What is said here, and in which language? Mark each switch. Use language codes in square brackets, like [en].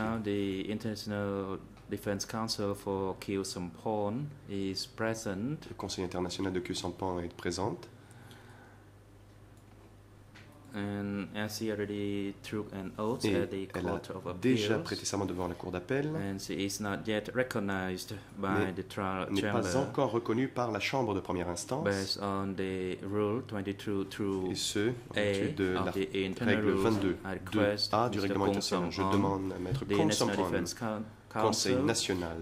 [en] Now the International Defense Council for Kirsten-Pont is present. [fr] Le Conseil international de Kirsten-Pont est présent. [en] And as she already took an oath [fr] et [en] at the Court of Appeals, [fr] déjà prêté serment devant la Cour d'appel, [en] and she is not yet recognized by the trial chamber, [fr] n'est pas encore reconnue par la chambre de première instance, [en] based on the rule [fr] 22-2A du règlement international. Je demande à Maître Kirsten-Pont, Conseil national